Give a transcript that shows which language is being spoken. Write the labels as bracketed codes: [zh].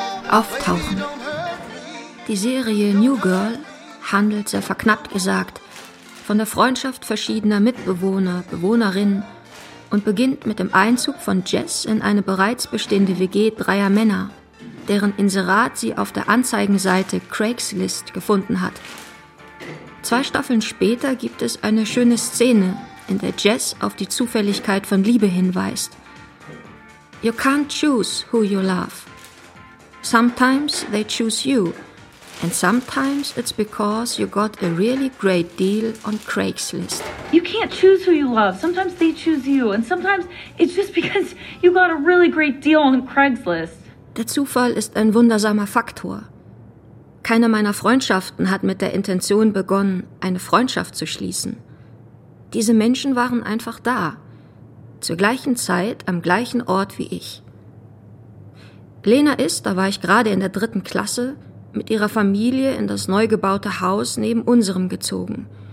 [de] Auftauchen. Die Serie New Girl handelt, sehr verknappt gesagt, von der Freundschaft verschiedener Mitbewohner, Bewohnerinnen und beginnt mit dem Einzug von Jess in eine bereits bestehende WG dreier Männer, deren Inserat sie auf der Anzeigenseite Craigslist gefunden hat. Zwei Staffeln später gibt es eine schöne Szene, in der Jess auf die Zufälligkeit von Liebe hinweist. [en] You can't choose who you love. Sometimes they choose you. And sometimes it's because you got a really great deal on Craigslist. You can't choose who you love. Sometimes they choose you. And sometimes it's just because you got a really great deal on Craigslist. [de] Der Zufall ist ein wundersamer Faktor. Keine meiner Freundschaften hat mit der Intention begonnen, eine Freundschaft zu schließen. Diese Menschen waren einfach da, zur gleichen Zeit, am gleichen Ort wie ich. Lena ist, da war ich gerade in der 3. Klasse, mit ihrer Familie in das neu gebaute Haus neben unserem gezogen.